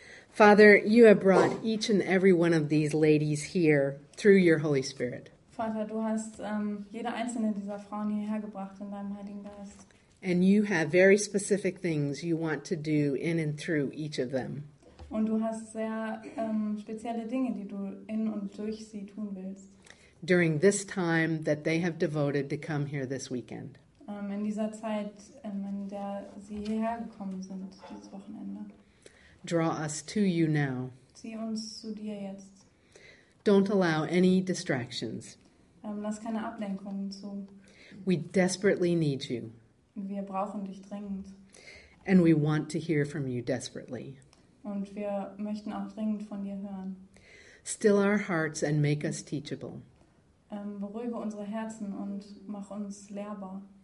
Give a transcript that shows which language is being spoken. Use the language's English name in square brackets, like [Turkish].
[English] Father, you have brought each and every one of these ladies here through your Holy Spirit. [German] Vater, du hast jede einzelne dieser Frauen hierher gebracht in deinem Heiligen Geist. [English] And you have very specific things you want to do in and through each of them. [German] Und du hast sehr spezielle Dinge, die du in und durch sie tun willst. [English] During this time that they have devoted to come here this weekend. [German] In dieser Zeit, in der sie hierher gekommen sind, dieses Wochenende. [English] Draw us to you now. [German] Zieh uns zu dir jetzt. [English] Don't allow any distractions. [German] Lass keine Ablenkungen zu. [English] We desperately need you. [German] Wir brauchen dich dringend. [English] And we want to hear from you desperately. [German] Und wir möchten auch dringend von dir hören. [English] Still our hearts and make us teachable. [German] Beruhige unsere Herzen und mach uns lehrbar.